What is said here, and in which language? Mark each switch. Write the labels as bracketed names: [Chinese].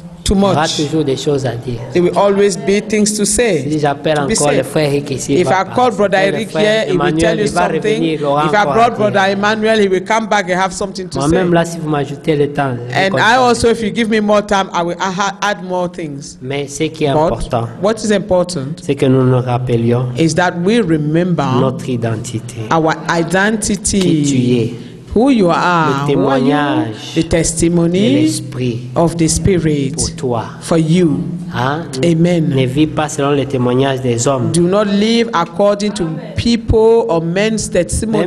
[French] Il y aura toujours des choses à dire. [English] There will always be things to say. [French] Si j'appelle encore le frère Eric ici, [English] if I call brother Eric here, he will tell you something. If I brought brother Emmanuel, he will come back and have something to say. [French] Moi-même là, si vous m'ajoutez le temps, [English] and I also, if you give me more time, I will add more things. [French] Mais ce qui est important, [English] what is important, [French] c'est que nous nous rappelions, [English] is that we remember [French] notre identité, [English] our identity, [French] qui tu es. [English] Who you are, [French] le témoignage, [English] the testimony [French] de l'esprit [English] of the spirit [French] pour toi. [English] For you. Hein? Amen. [French] Ne vis pas selon les témoignages des hommes. [English] Do not live according to people or men's testimony.